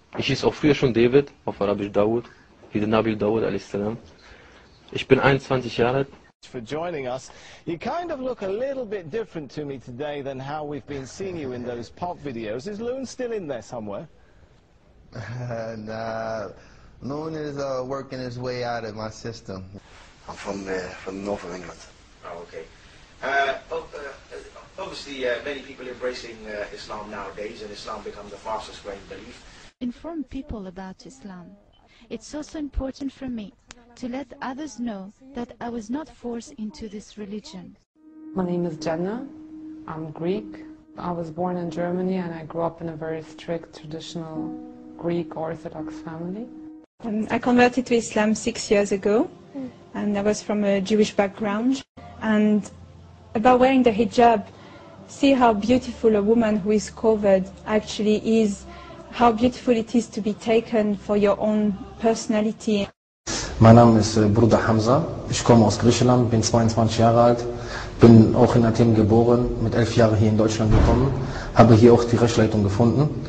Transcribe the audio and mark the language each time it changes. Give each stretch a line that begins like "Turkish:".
German: Ich hieß auch früher schon David, auf Arabisch Dawud, wie der Nabi Dawud
Arabic: alaihi salam.
German: Ich bin 21 Jahre alt.
English: For joining us. You kind of look a little bit different to me today than how we've been seeing you in those pop videos. Is Loon still in there somewhere? Nah, Loon is working his way out of my system. I'm from the north of England. Oh, okay. Obviously, many people embracing Islam nowadays, and Islam becomes the fastest growing belief. Inform people about Islam. It's also important for me to let others know that I was not forced into this religion. My name is Jenna. I'm Greek. I was born in Germany and I grew up in a very strict traditional Greek Orthodox family. I converted to Islam 6 years ago and I was from a Jewish background. And about wearing the hijab, see how beautiful a woman who is covered actually is, how beautiful it is to be taken for your own personality.
German: Mein Name ist Bruder Hamza. Ich komme aus Griechenland, bin 22 Jahre alt, bin auch in Athen geboren, mit 11 Jahren hier in Deutschland gekommen, habe hier auch die Rechtsleitung gefunden.